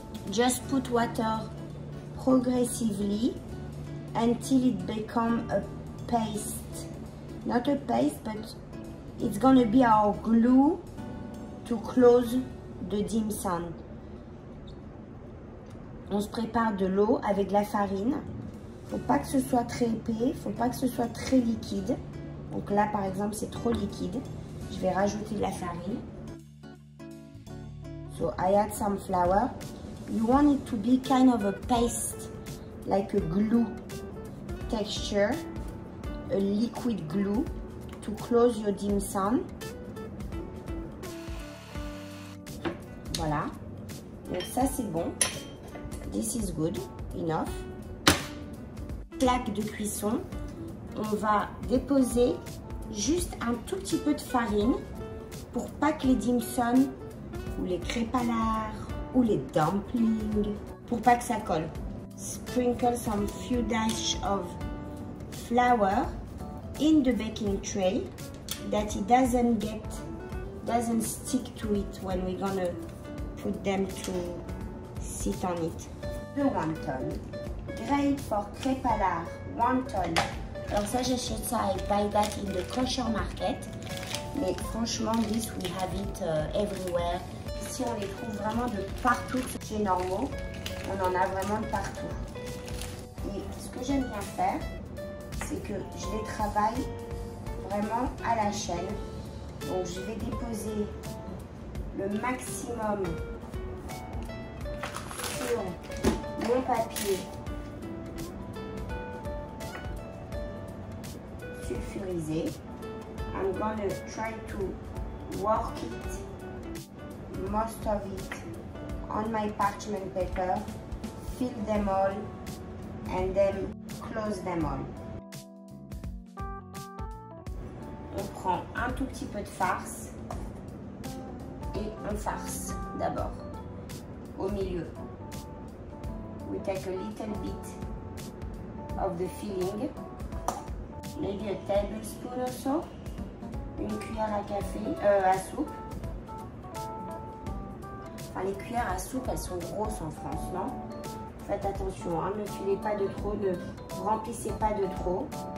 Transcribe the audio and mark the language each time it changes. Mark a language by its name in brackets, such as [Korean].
[English] Just put water progressively until it becomes a paste. Not a paste, but it's gonna be our glue to close the dim sum. [French] On se prépare de l'eau avec de la farine. Faut pas que ce soit très épais, faut pas que ce soit très liquide. Donc là, par exemple, c'est trop liquide. Je vais rajouter de la farine. [English] So I add some flour. You want it to be kind of a paste, like a glue texture, a liquid glue to close your dim sum. [French] Voilà. Donc ça, c'est bon. [English] This is good enough. [French] Plaque de cuisson. On va déposer juste un tout petit peu de farine pour pas que les dim sum ou les crêpes à lard ou les dumplings, pour pas que ça colle. [English] Sprinkle some few dash of flour in the baking tray that it doesn't stick to it when we're gonna put them to sit on it. The wonton. Great for crêpes à lard, wonton. [French] Alors ça, j'achète ça, [English] I buy that in the kosher market. [French] Mais franchement, [English] this, we have it everywhere. [French] Ici, on les trouve vraiment de partout chez Normaux. On en a vraiment de partout. Et ce que j'aime bien faire, c'est que je les travaille vraiment à la chaîne. Donc je vais déposer le maximum sur mon papier sulfurisé. [English] I'm gonna try to work it, most of it, on my parchment paper, fill them all, and then close them all. [French] On prend un tout petit peu de farce et on farce d'abord au milieu. [English] We take a little bit of the filling. Maybe a tablespoon or so, [French] une cuillère à café, à soupe. Enfin, les cuillères à soupe, elles sont grosses en France, non? Faites attention, hein, ne filez pas de trop, ne remplissez pas de trop.